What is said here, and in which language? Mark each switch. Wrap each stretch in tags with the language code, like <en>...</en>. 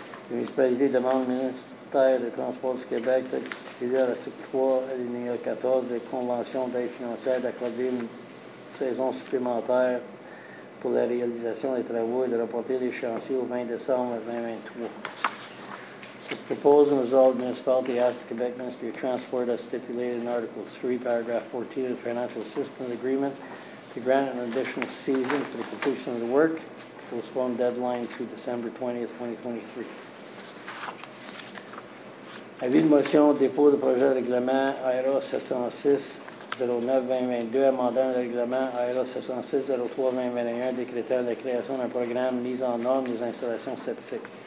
<fr>La municipalité demande au ministère des Transports du Québec de disposer à l'article 3, alinéa 14 des conventions d'aide financière d'accorder une saison supplémentaire pour la réalisation des travaux et de reporter les chantiers au 20 décembre 2023.</fr> <en>This proposal is all municipality asks the Quebec Ministry of Transport as stipulated in Article 3, Paragraph 14 of the Financial Assistance Agreement to grant an additional season for the completion of the work, postpone deadline to December 20th, 2023.</en> <fr>Avis de motion, dépôt de projet de règlement AERA 706-09-2022, amendant le règlement AERA 706-03-2021, décrétant la création d'un programme mise en norme des installations septiques.</fr>